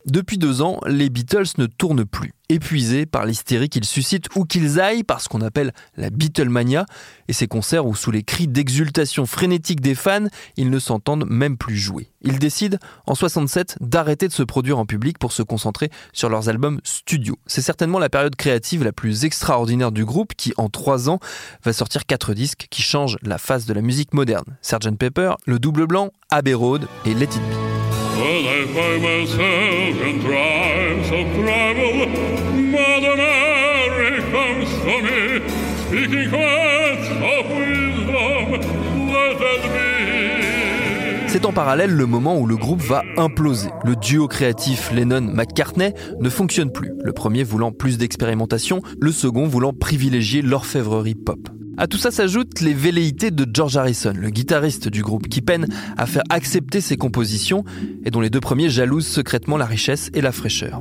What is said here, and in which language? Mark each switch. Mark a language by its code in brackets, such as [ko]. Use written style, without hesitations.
[fr] Depuis 2 ans, les Beatles ne tournent plus, épuisés par l'hystérie qu'ils suscitent où qu'ils aillent, par ce qu'on appelle la Beatlemania, et ces concerts où, sous les cris d'exultation frénétique des fans, ils ne s'entendent même plus jouer. Ils décident, en 67, d'arrêter de se produire en public pour se concentrer sur leurs albums studio. C'est certainement la période créative la plus extraordinaire du groupe qui, en 3 ans, va sortir 4 disques qui changent la face de la musique moderne. Sgt. Pepper, Le Double Blanc, Abbey Road et Let It Be. [en] Well, I find myself in times of trouble. Mother Mary comes to me, speaking words of wisdom. Let it be. [fr] C'est en parallèle le moment où le groupe va imploser. Le duo créatif Lennon-McCartney ne fonctionne plus. Le premier voulant plus d'expérimentation, le second voulant privilégier l'orfèvrerie pop. À tout ça s'ajoutent les velléités de George Harrison, le guitariste du groupe qui peine à faire accepter ses compositions et dont les deux premiers jalousent secrètement la richesse et la fraîcheur.